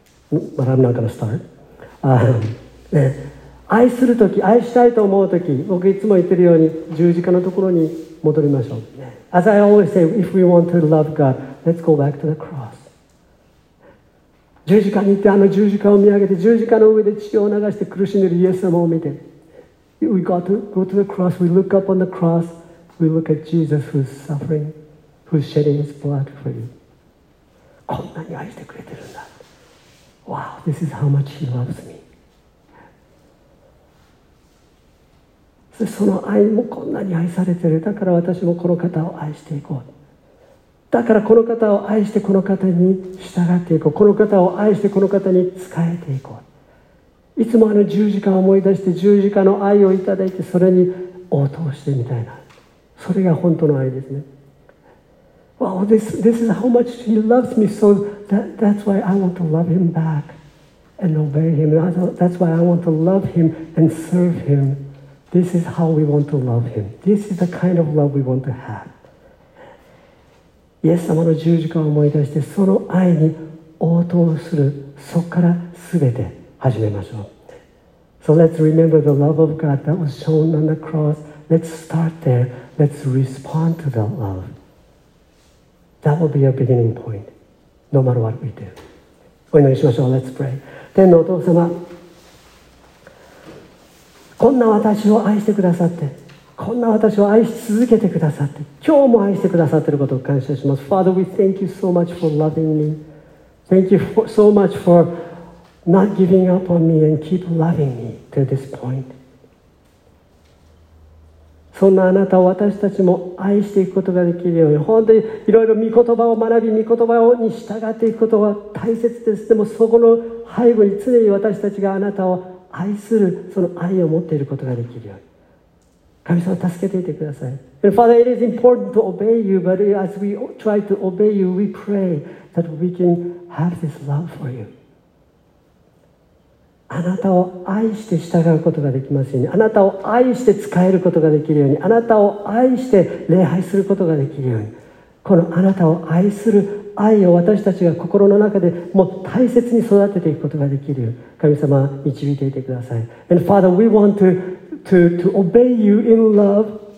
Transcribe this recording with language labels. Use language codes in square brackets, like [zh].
[en] But I'm not gonna start. [ja] 愛するとき、愛したいと思うとき、僕いつも言ってるように十字架のところに戻りましょう。 [en] As I always say, if we want to love God, let's go back to the cross. [ja] 十字架に行って、あの十字架を見上げて、十字架の上で血を流して苦しんでるイエス様を見て、 [en] We got to go to the cross, we look up on the cross, we look at Jesus who's suffering, who's shedding his blood for you. [ja] こんなに愛してくれてるんだ。 [en] Wow, this is how much he loves me. [ja] So, その愛もこんなに愛されてる。だから私もこの方を愛していこう。だからこの方を愛してこの方に従っていこう。この方を愛してこの方に仕えていこう。いつもあの十字架を思い出して十字架の愛をいただいてそれに応答してみたいな。それが本当の愛ですね。 [en] Wow, this is how much he loves me. So that's why I want to love him back and obey him. That's why I want to love him and serve him. This is how we want to love him. This is the kind of love we want to have. [ja] イエス様の十字架を思い出して、その愛に応答する、そこから全て始めましょう。 [en] So let's remember the love of God that was shown on the cross. Let's start there. Let's respond to that love. That will be a beginning point, no matter what we do. [ja] お祈りしましょう。 [en] Let's pray. [ja] 天のお父様、こんな私を愛してくださって、こんな私を愛し続けてくださって、今日も愛してくださっていることを感謝します。 [en] Father, we thank you so much for loving me. Thank you for, so much for not giving up on me and keep loving me to this point. [ja] そんなあなたを私たちも愛していくことができるように、本当にいろいろ御言葉を学び、御言葉に従っていくことは大切です。でもそこの背後に常に私たちがあなたを愛する、その愛を持っていることができるように、神様助けていてください。 [en] And Father, it is important to obey you, but as we try to obey you, we pray that we can have this love for you. [ja] あなたを愛して従うことができますように、あなたを愛して仕えることができるように、あなたを愛して礼拝することができるように、このあなたを愛する愛を私たちが心の中でもう大切に育てていくことができるように、神様導いていてください。 [en] And Father, we want to obey you in love.